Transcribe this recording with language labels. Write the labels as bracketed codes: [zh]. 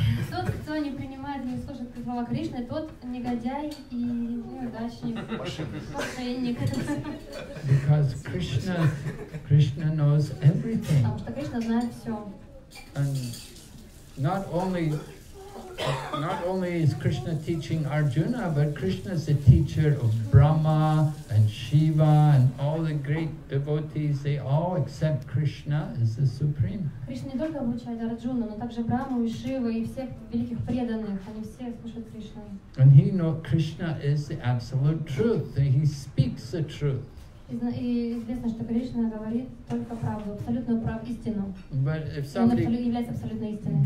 [ru] Тот, кто не принимает, не слушает слова Кришны, тот негодяй и неудачник, мошенник. [en] Because Krishna knows everything. [ru] Потому что Кришна знает все. [en] And not only is Krishna teaching Arjuna, but Krishna is a teacher of Brahma and Shiva and all the great devotees. They all accept Krishna as the supreme. [ru] Krishna не только обучает Арджуну, но также Брахму и Шиву и всех великих преданных. Они все слушают Кришну. [en] And he knows Krishna is the absolute truth. And he speaks the truth. [ru] И известно, что Кришна говорит только правду, абсолютную правду, истину. [en] But if somebody, [ru] он является абсолютной истиной.